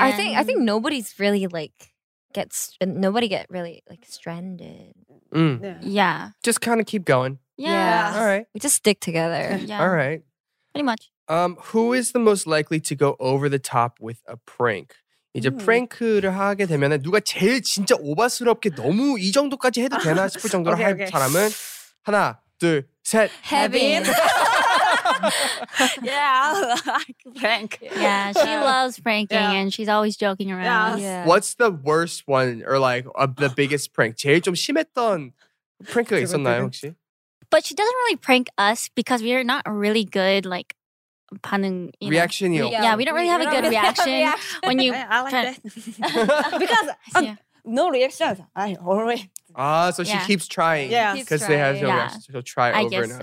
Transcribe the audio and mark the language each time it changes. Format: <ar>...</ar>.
<en>I think nobody's really like… Nobody gets really stranded. Mm. Yeah. Yeah. Just kind of keep going. Yeah. All right. We just stick together. Yeah. All right. Pretty much. Who is the most likely to go over the top with a prank?</en> <ko>이제 프랭크를 하게 되면 누가 제일 진짜 오바스럽게 너무 이 정도까지 해도 되나 싶을 정도로 okay, 할 okay. 사람은 하나, 둘, 셋.</ko> <en>Heaven. Yeah, I like prank. Yeah, she loves pranking and she's always joking around. Yeah. What's the worst one or like the biggest prank?</en> <ko>제일 좀 심했던 프랭크가 있었나요 혹시?</ko> <en>But she doesn't really prank us because we're not really good like… 반응, reaction. Yeah, we don't really have a good reaction. When you… I like that. Because no reactions. I always… So she keeps trying. Yeah. Because they have no reactions. She'll try over and over.</en>